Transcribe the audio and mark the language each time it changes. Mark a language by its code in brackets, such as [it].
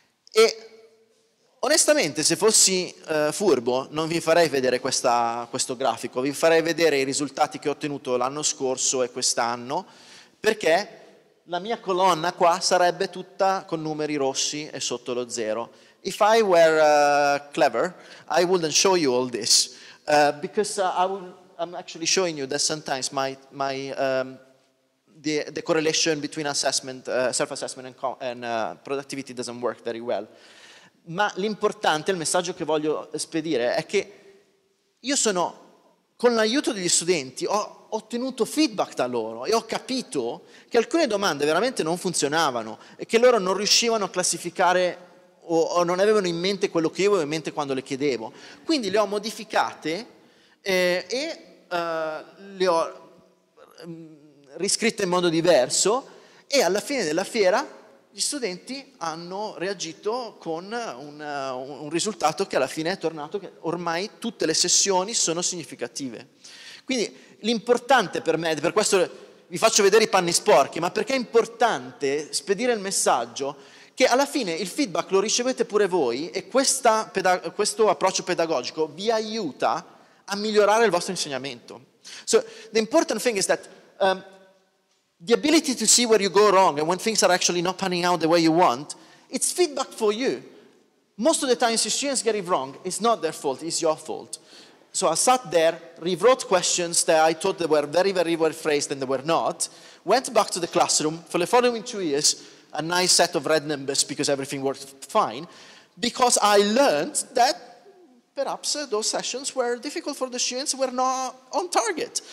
[it] E onestamente, se fossi furbo, non vi farei vedere questo grafico, vi farei vedere i risultati che ho ottenuto l'anno scorso e quest'anno, perché la mia colonna qua sarebbe tutta con numeri rossi e sotto lo zero. [en] If I were clever, I wouldn't show you all this. I'm actually showing you that sometimes the correlation between assessment, self-assessment and productivity doesn't work very well. [it] Ma l'importante, il messaggio che voglio spedire è che io sono, con l'aiuto degli studenti, ho ottenuto feedback da loro e ho capito che alcune domande veramente non funzionavano e che loro non riuscivano a classificare o non avevano in mente quello che io avevo in mente quando le chiedevo. Quindi le ho modificate le ho riscritte in modo diverso e alla fine della fiera gli studenti hanno reagito con un risultato che alla fine è tornato, che ormai tutte le sessioni sono significative. Quindi l'importante per me, per questo vi faccio vedere i panni sporchi, ma perché è importante spedire il messaggio che alla fine il feedback lo ricevete pure voi e questo approccio pedagogico vi aiuta a migliorare il vostro insegnamento. [en] So, the important thing is that the ability to see where you go wrong and when things are actually not panning out the way you want, it's feedback for you. Most of the time, if students get it wrong, it's not their fault, it's your fault. So I sat there, rewrote questions that I thought they were very, very well phrased and they were not, went back to the classroom for the following 2 years, a nice set of red numbers because everything worked fine, because I learned that perhaps those sessions were difficult for the students, were not on target.